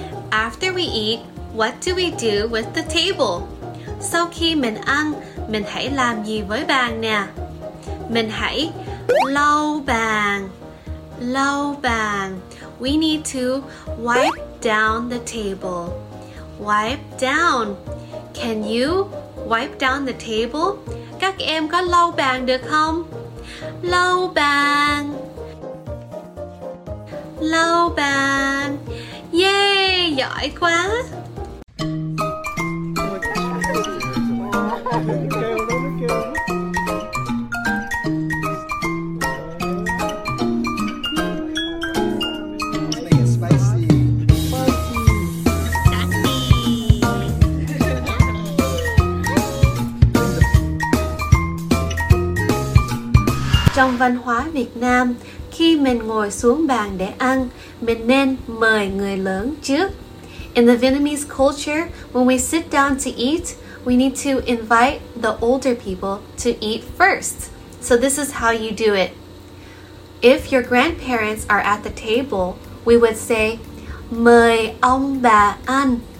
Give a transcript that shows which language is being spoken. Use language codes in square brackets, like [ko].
[en] After we eat, what do we do with the table? [vi] Sau khi mình ăn, mình hãy làm gì với bàn nè? Mình hãy lau bàn. Lau bàn. [en] we need to wipe down the table. Wipe down. Can you wipe down the table? [vi] Các em có lau bàn được không? Lau bàn. Lau bàn. Yay, giỏi quá. Trong văn hóa Việt Nam, khi mình ngồi xuống bàn để ăn, mình nên mời người lớn trước. [en] In the Vietnamese culture, when we sit down to eat, we need to invite the older people to eat first. So this is how you do it. If your grandparents are at the table, we would say, [vi] mời ông bà ăn.